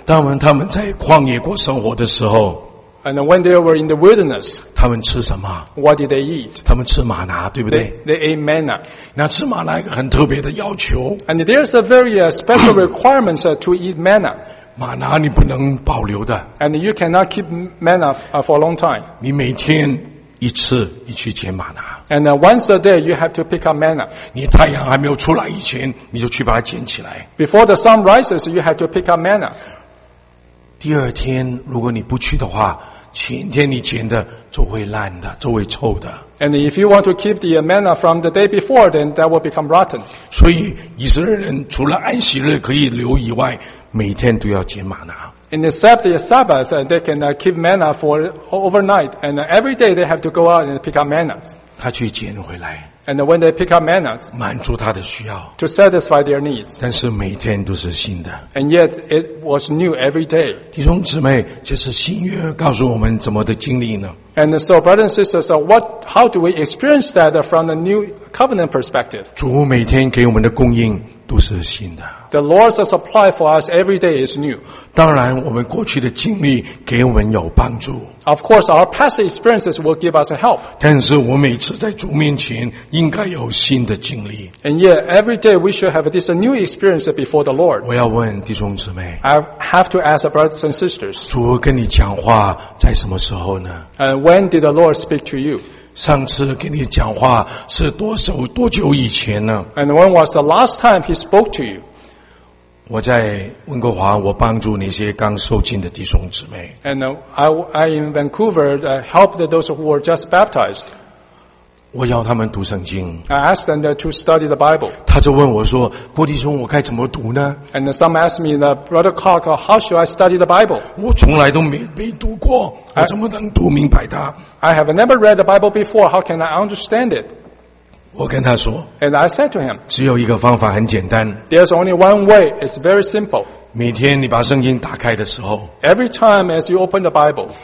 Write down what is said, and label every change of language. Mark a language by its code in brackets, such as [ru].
[zh] 当他们在旷野过生活的时候。 [en] And when they were in the wilderness, [zh] 他们吃什么？ [en] What did they eat? [zh] 他们吃玛拿，对不对？ [en] They ate manna. [zh] 那吃玛拿一个很特别的要求。 [en] And there's a very special requirement to eat manna. [zh] 玛拿你不能保留的。 [en] And you cannot keep manna for a long time. [zh] 你每天一次，你去捡玛拿。 [en] And once a day, you have to pick up manna. [zh] 你太阳还没有出来以前，你就去把它捡起来。 [en] Before the sun rises, you have to pick up manna. [zh] 第二天如果你不去的话，前天你捡的就会烂的，就会臭的。 [en] And if you want to keep the manna from the day before, then that will become rotten. [zh] 所以以色列人除了安息日可以留以外，每天都要捡玛拿。 [en] And except the Sabbath, they can keep manna for overnight, and every day they have to go out and pick up manna. [zh] 他去捡回来。 [en] And when they pick up manna, [zh] 满足他的需要 [en] to satisfy their needs. [zh] 但是每天都是新的。 [en] And yet it was new every day. [zh] 弟兄姊妹，这是新约告诉我们怎么的经历呢？ [en] And so, brothers and sisters, how do we experience that from the new covenant perspective? [zh] 主每天给我们的供应都是新的。 [en] The Lord's supply for us every day is new. [zh] 当然，我们过去的经历给我们有帮助。 [en] Of course, our past experiences will give us help. [zh] 但是我每次在主面前应该有新的经历。 [en] And yet, every day we should have this new experience before the Lord. [zh] 我要问弟兄姊妹。 [en] I have to ask brothers and sisters. [zh] 主跟你讲话在什么时候呢？ [en] And when did the Lord speak to you? [zh] 上次跟你讲话是多久以前呢？ [en] And when was the last time he spoke to you? [zh] 我在温哥华，我帮助那些刚受浸的弟兄姊妹。 [en] And I in Vancouver, I helped those who were just baptized. [zh] 我要他们读圣经。 [en] I asked them to study the Bible. [zh] 他就问我说，郭弟兄，我该怎么读呢？ [en] And some asked me, Brother Clark, how should I study the Bible? [zh] 我从来都没读过，我怎么能读明白它？ [en] I have never read the Bible before. How can I understand it? [zh] 我跟他说。 [en] And I said to him. [zh] 只有一个方法，很简单。 [en] There's only one way. It's very simple. [zh] 每天你把圣经打开的时候。 [en] Every time as you open the Bible.